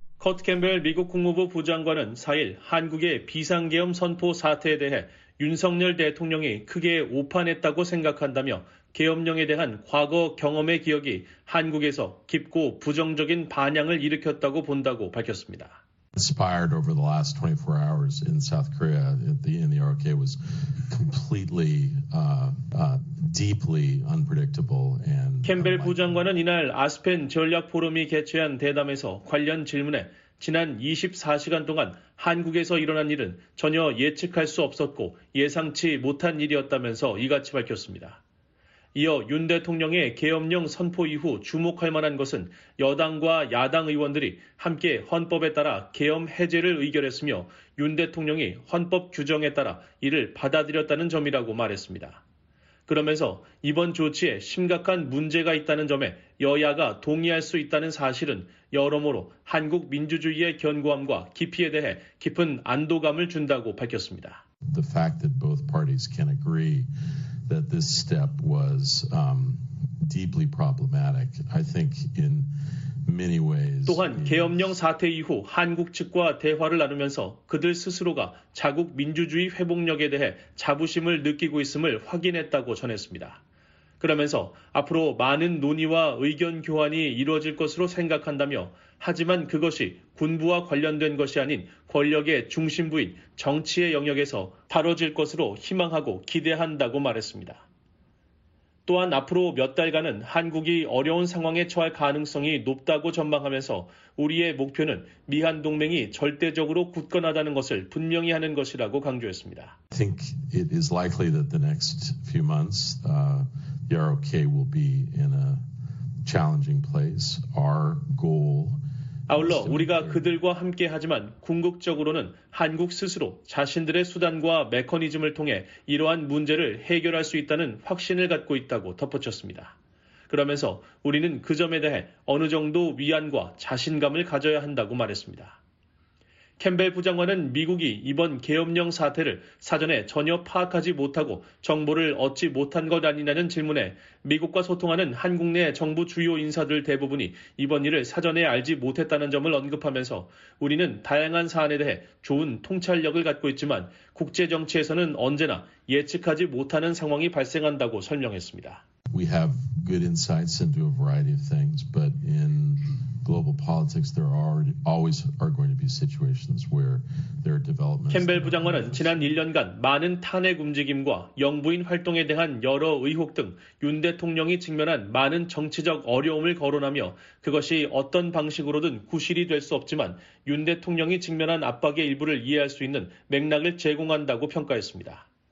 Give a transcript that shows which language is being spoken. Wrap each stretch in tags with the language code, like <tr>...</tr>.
<ko>컷 캠벨 미국 국무부 부장관은 4일 한국의 비상계엄 선포 사태에 대해 윤석열 대통령이 크게 오판했다고 생각한다며 계엄령에 대한 과거 경험의 기억이 한국에서 깊고 부정적인 반향을 일으켰다고 본다고 밝혔습니다.</ko> <en>Inspired over the last 24 hours in South Korea, in the RK was completely, deeply unpredictable. And</en> <ko>캠벨 부장관은 이날 아스펜 전략 포럼이 개최한 대담에서 관련 질문에 지난 24시간 동안 한국에서 일어난 일은 전혀 예측할 수 없었고 예상치 못한 일이었다면서 이같이 밝혔습니다. 이어 윤 대통령의 계엄령 선포 이후 주목할 만한 것은 여당과 야당 의원들이 함께 헌법에 따라 계엄 해제를 의결했으며 윤 대통령이 헌법 규정에 따라 이를 받아들였다는 점이라고 말했습니다. 그러면서 이번 조치에 심각한 문제가 있다는 점에 여야가 동의할 수 있다는 사실은 여러모로 한국 민주주의의 견고함과 깊이에 대해 깊은 안도감을 준다고 밝혔습니다.</ko> <en>The fact that both parties can agree that this step was deeply problematic. I think in many ways.</en> <ko>또한 계엄령 사태 이후 한국 측과 대화를 나누면서 그들 스스로가 자국 민주주의 회복력에 대해 자부심을 느끼고 있음을 확인했다고 전했습니다. 그러면서 앞으로 많은 논의와 의견 교환이 이루어질 것으로 생각한다며 하지만 그것이 군부와 관련된 것이 아닌 권력의 중심부인 정치의 영역에서 다뤄질 것으로 희망하고 기대한다고 말했습니다. 또한 앞으로 몇 달간은 한국이 어려운 상황에 처할 가능성이 높다고 전망하면서 우리의 목표는 미한 동맹이 절대적으로 굳건하다는 것을 분명히 하는 것이라고 강조했습니다.</ko> <en>I think it is likely that the next few months the ROK will be in a challenging place. Our goal</en> <ko>아울러 우리가 그들과 함께 하지만 궁극적으로는 한국 스스로 자신들의 수단과 메커니즘을 통해 이러한 문제를 해결할 수 있다는 확신을 갖고 있다고 덧붙였습니다. 그러면서 우리는 그 점에 대해 어느 정도 위안과 자신감을 가져야 한다고 말했습니다. 캠벨 부장관은 미국이 이번 계엄령 사태를 사전에 전혀 파악하지 못하고 정보를 얻지 못한 것 아니냐는 질문에 미국과 소통하는 한국 내 정부 주요 인사들 대부분이 이번 일을 사전에 알지 못했다는 점을 언급하면서 우리는 다양한 사안에 대해 좋은 통찰력을 갖고 있지만 국제정치에서는 언제나 예측하지 못하는 상황이 발생한다고 설명했습니다.</ko> <en>We have good insights into a variety of things, but in global politics, there always are going to be situations where there are developments.</en> <ko>캠벨 부장관은 지난 1년간 많은 탄핵 움직임과 영부인 활동에 대한 여러 의혹 등 윤 대통령이 직면한 많은 정치적 어려움을 거론하며 그것이 어떤 방식으로든 구실이 될 수 없지만 윤 대통령이 직면한 압박의 일부를 이해할 수 있는 맥락을 제공한다고 평가했습니다.</ko>